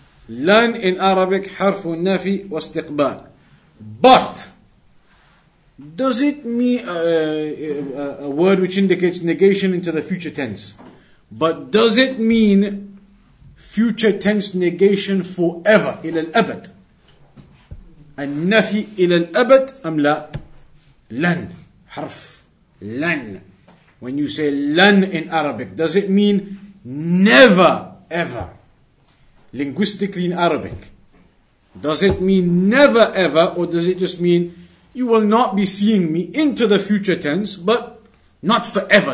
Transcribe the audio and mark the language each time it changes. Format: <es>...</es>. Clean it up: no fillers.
<ar>لن</ar> <en>in Arabic</en> <ar>حرف نفي واستقبال.</ar> <en>But does it mean a word which indicates negation into the future tense? But does it mean future tense negation forever</en> <ar>إلى الأبد؟ النفي إلى الأبد أم لا؟ لن حرف لن.</ar> <en>When you say لن in Arabic, does it mean never ever? Linguistically in Arabic, does it mean never ever, or does it just mean you will not be seeing me into the future tense, but not forever?</en>